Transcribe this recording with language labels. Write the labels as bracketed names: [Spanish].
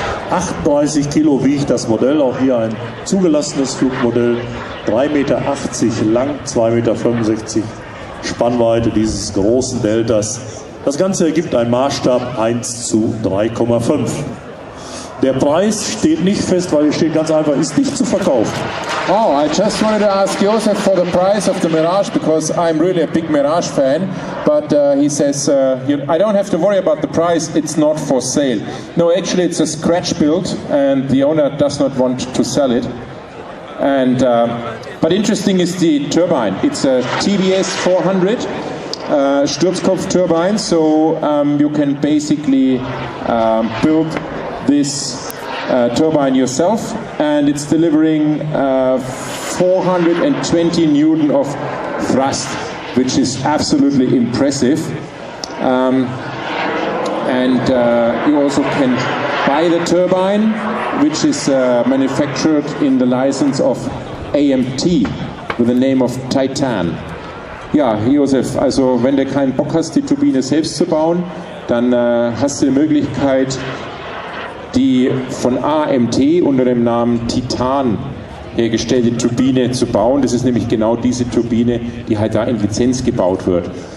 [German] 38 Kilo wiegt das Modell, auch hier ein zugelassenes Flugmodell. 3,80 Meter lang, 2,65 Meter Spannweite dieses großen Deltas. Das Ganze ergibt einen Maßstab 1 zu 3,5. Der Preis steht nicht fest, weil hier steht ganz einfach, ist nicht zu verkaufen. [English] Oh, I just wanted to ask Josef for the price of the Mirage, because I'm really a big Mirage fan. But he says, I don't have to worry about the price, it's not for sale. No, actually it's a scratch build and the owner does not want to sell it. And but interesting is the turbine. It's a TBS 400 Sturzkopf turbine, so you can basically build this turbine yourself, and it's delivering 420 newton of thrust, which is absolutely impressive. You also can buy the turbine, which is manufactured in the license of AMT with the name of Titan. [German] Ja, Josef, also wenn du keinen Bock hast, die Turbine selbst zu bauen, dann hast du die Möglichkeit, die von AMT unter dem Namen Titan hergestellte Turbine zu bauen. Das ist nämlich genau diese Turbine, die halt da in Lizenz gebaut wird.